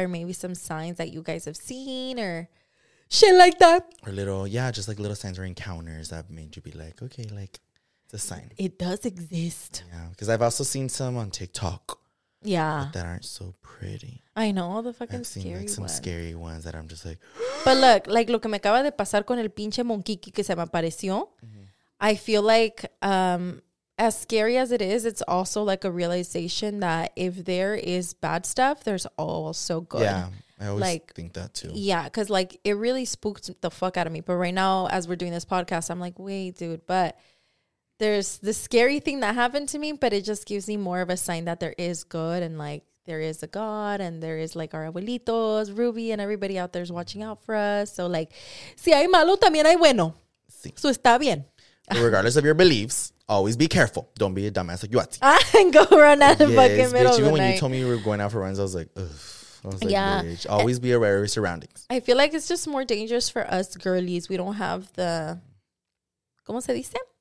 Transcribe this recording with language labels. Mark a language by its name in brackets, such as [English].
[English] Or maybe some signs that you guys have seen or shit like that. Or little, yeah, just like little signs or encounters that made you be like, okay, like. It's a sign. It does exist. Yeah, because I've also seen some on TikTok. Yeah. That aren't so pretty. I know, all the fucking scary ones. I've seen like some scary ones that I'm just like. But look, like [Spanish] lo que me acaba de pasar con el pinche monkiki que se me apareció. Mm-hmm. [English] I feel like as scary as it is, it's also like a realization that if there is bad stuff, there's also good. Yeah. I always like, think that too. Yeah, because like it really spooked the fuck out of me. But right now, as we're doing this podcast, I'm like, wait, dude, but. There's the scary thing that happened to me, but it just gives me more of a sign that there is good and like there is a God and there is like our abuelitos, Ruby, and everybody out there is watching out for us. So like, [Spanish] si hay malo, también hay bueno. Sí. So está bien. [English] Regardless of your beliefs, always be careful. Don't be a dumbass like Yuatzi. And go run out of fucking middle bitch, of the even night. When you told me you were going out for runs, I was like, ugh. Like, yeah. Bitch, always be aware of your surroundings. I feel like it's just more dangerous for us girlies. We don't have the, [Spanish] ¿cómo se dice?